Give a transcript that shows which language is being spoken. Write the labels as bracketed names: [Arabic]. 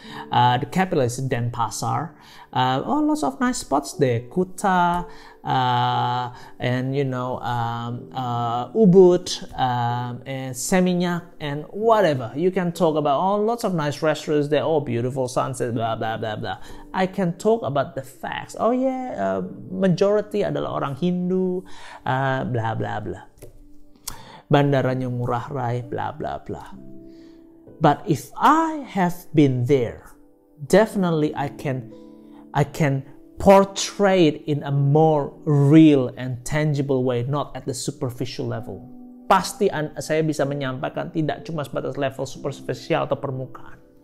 [English] The capital is Denpasar. Lots of nice spots there. Kuta, Ubud, and Seminyak, and whatever. You can talk about, lots of nice restaurants there. Oh, beautiful sunset, blah, blah, blah, blah. I can talk about the facts. Oh, yeah, majority [Indonesian] adalah orang Hindu, [English] blah, blah, blah. [Indonesian] Bandaranya Ngurah Rai, blah, blah, blah. [English] But if I have been there, definitely I can portray it in a more real and tangible way, not at the superficial level. [Indonesian] Pasti saya bisa menyampaikan tidak cuma sebatas level superficial atau permukaan.